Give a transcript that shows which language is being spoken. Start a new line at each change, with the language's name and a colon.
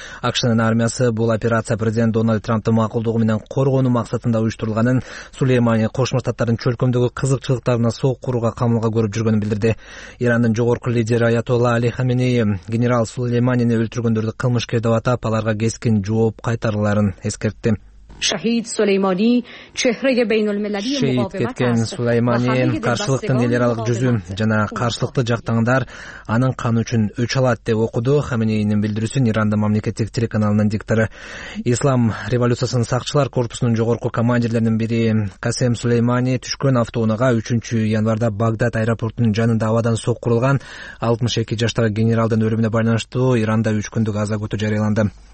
Kyrgyz: АКШнын армиясы бул операция президент Дональд Трамптын макулдугу менен коргонуу максатында уюштурулганын, Сулеймани Кошмо Штаттардын чөлкөмдөгү кызыкчылыктарына суук курууга камалга көрүп жүргөнүн билдирди. Ирандын жогорку лидери Аятолла Али Хаменеи генерал Сулейманини өлтүргөндөрдү кылмышкер деп атап, аларга кескин жооп кайтарууларын эскертти.
Persian: Шахид Сулеймани, чехрее бейнулмелади мугавима.
Kyrgyz: Шахид кеткен Сулеймани, каршылыктын эл аралык жүзү жана каршылыкты жактаңдар анын каны үчүн өч алат деп окуду Хаменеинин билдирүүсүн Ирандын мамлекеттик телеканалынын диктору. Ислам революциясынын сакчылар корпусунун жогорку командирлеринин бири Касем Сулеймани түшкөн автоунаага 3 январда Багдад аэропортунун жанында абадан соккурулган 62 жаштагы генералдын өлүмүнө байланыштуу Иранда 3 күндүк аза күтүү жарыяланды.